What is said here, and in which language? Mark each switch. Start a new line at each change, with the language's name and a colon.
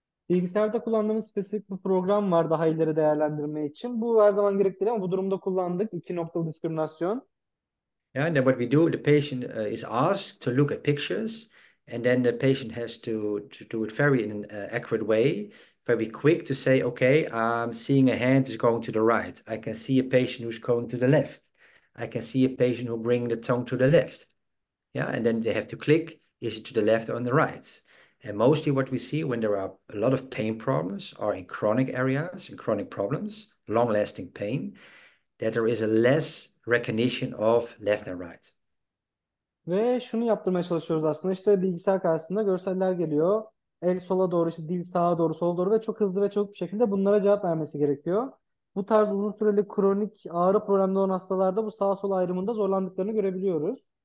Turkish: Bilgisayarda kullandığımız spesifik bir program var daha ileri değerlendirme için. Bu her zaman gerekli ama bu durumda kullandık. İki noktalı diskriminasyon.
English: Yeah, and then what we do, the patient is asked to look at pictures, and then the patient has to do it very in an accurate way, very quick to say, okay, I'm seeing a hand is going to the right. I can see a patient who's going to the left. I can see a patient who bring the tongue to the left. Yeah, and then they have to click, is it to the left or on the right? And mostly what we see when there are a lot of pain problems or in chronic areas, in chronic problems, long-lasting pain, that there is a less recognition of left and right.
Turkish: Ve şunu yaptırmaya çalışıyoruz aslında. İşte bilgisayar karşısında görseller geliyor. El sola doğru, işte dil sağa doğru, sola doğru ve çok hızlı ve çabuk bir şekilde bunlara cevap vermesi gerekiyor. Bu tarz uzun süreli kronik ağrı problemli olan hastalarda bu sağ sol ayrımında zorlandıklarını görebiliyoruz.